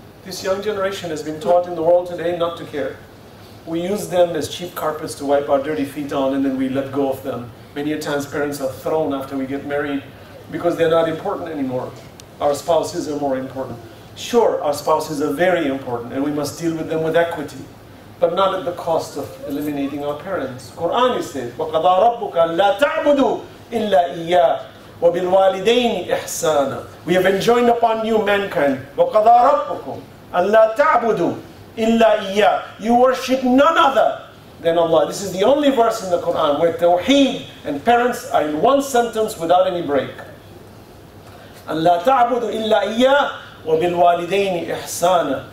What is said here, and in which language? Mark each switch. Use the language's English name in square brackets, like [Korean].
[English] This young generation has been taught in the world today not to care. We use them as cheap carpets to wipe our dirty feet on and then we let go of them. Many a times parents are thrown after we get married because they're not important anymore. Our spouses are more important. Sure, our spouses are very important and we must deal with them with equity. But not at the cost of eliminating our parents. Quran is said, [Arabic] وَقَضَى رَبُّكَ لَا تَعْبُدُوا إِلَّا إِيَّا وَبِالْوَالِدَيْنِ إِحْسَانًا. [English] We have enjoined upon you mankind, [Arabic] وَقَضَى رَبُّكُمْ أَلَّا تَعْبُدُوا إِلَّا إِيَّا. [English] You worship none other than Allah. This is the only verse in the Quran where tawheed and parents are in one sentence without any break. [Arabic] أَلَّا تَعْبُدُوا إِلَّا إِيَّا وَبِالْوَالِدَيْنِ إِحْسَانًا.